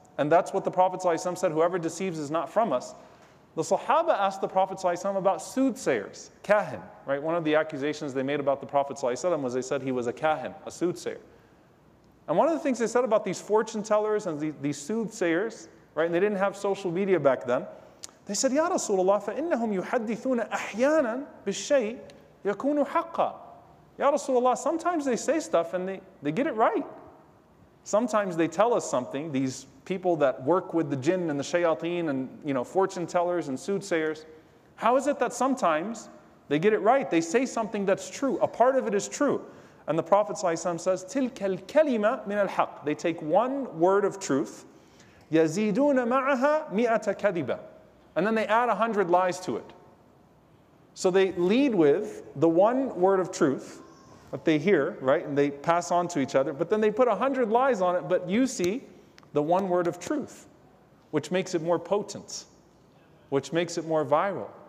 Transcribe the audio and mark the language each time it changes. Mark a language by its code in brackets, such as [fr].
[en] And that's what the Prophet ﷺ said, whoever deceives is not from us. The Sahaba asked the Prophet ﷺ about soothsayers, kahin, right? One of the accusations they made about the Prophet ﷺ was they said he was a kahin, a soothsayer. And one of the things they said about these fortune tellers and these soothsayers, right? And they didn't have social media back then. They said, [ar] Ya Rasulullah, فَإِنَّهُمْ يُحَدِّثُونَ أَحْيَانًا بِالشَّيْءٍ يَكُونُ حَقًّا. [en] Ya Rasulullah, sometimes they say stuff and they get it right. Sometimes they tell us something, these people that work with the jinn and the shayateen and, you know, fortune tellers and soothsayers. How is it that sometimes they get it right? They say something that's true. A part of it is true. And the Prophet ﷺ says, [ar] تِلْكَ الْكَلِمَةِ مِنَ الْحَقِّ. [en] They take one word of truth, [ar] يَزِيدُونَ مَعَهَا مِئَةَ كَذِبًا. [en] And then they add 100 lies to it. So they lead with the one word of truth that they hear, right? And they pass on to each other. But then they put 100 lies on it, but you see the one word of truth, which makes it more potent, which makes it more viral.